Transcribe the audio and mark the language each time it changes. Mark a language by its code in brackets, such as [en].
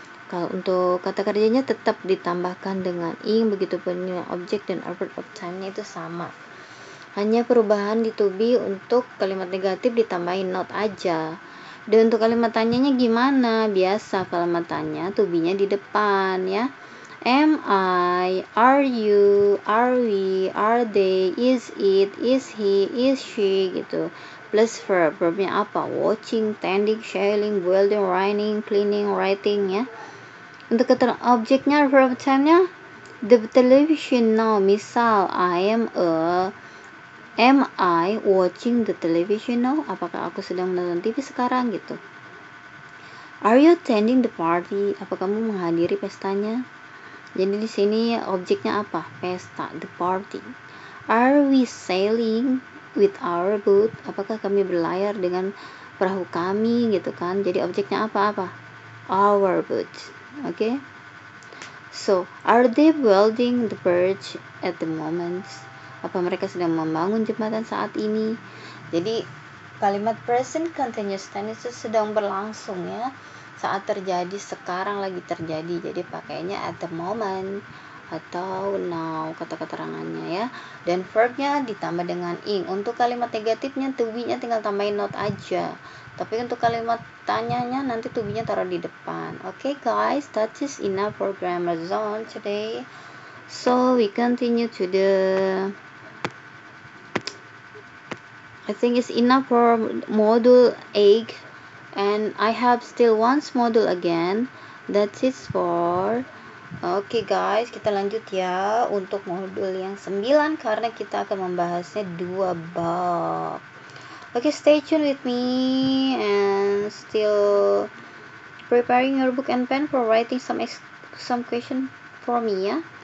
[id] Kalau untuk kata kerjanya tetap ditambahkan dengan ing, begitu pun objek dan adverb of time-nya itu sama. Hanya perubahan di to be untuk kalimat negatif ditambahin not aja. Dan untuk kalimat tanyanya gimana? Biasa kalimat tanya to be-nya di depan ya. [en] Am I, are you, are we, are they, is it, is he, is she, gitu. Plus verb, verbnya apa? Watching, tending, shelling, building, running, cleaning, writing, ya. [id] Untuk objeknya, verb time-nya, the television, no, misal, [en] am I watching the television, [id] no, apakah aku sedang menonton TV sekarang, gitu. [en] Are you attending the party, [id] apa kamu menghadiri pestanya? Jadi di sini objeknya apa? Pesta, the party. [en] Are we sailing with our boat? [id] Apakah kami berlayar dengan perahu kami gitu kan? Jadi objeknya apa? Our boat. Okay? [en] So, are they building the bridge at the moment? [id] Apa mereka sedang membangun jembatan saat ini? Jadi kalimat present continuous tense sedang berlangsung ya. Saat terjadi, sekarang lagi terjadi. Jadi pakainya [en] at the moment [id] atau now, kata keterangannya ya. Dan verbnya ditambah dengan ing. Untuk kalimat negatifnya, to be-nya tinggal tambahin not aja. Tapi untuk kalimat tanyanya, nanti to be-nya taruh di depan. [en] Okay guys, that is enough for grammar zone today. So we continue to the, I think it's enough for module 8. And I have still one module again. That's it for. Okay guys, [id] kita lanjut ya untuk modul yang 9 karena kita akan membahasnya 2 bab. [en] Okay, stay tuned with me and still preparing your book and pen for writing some question for me ya.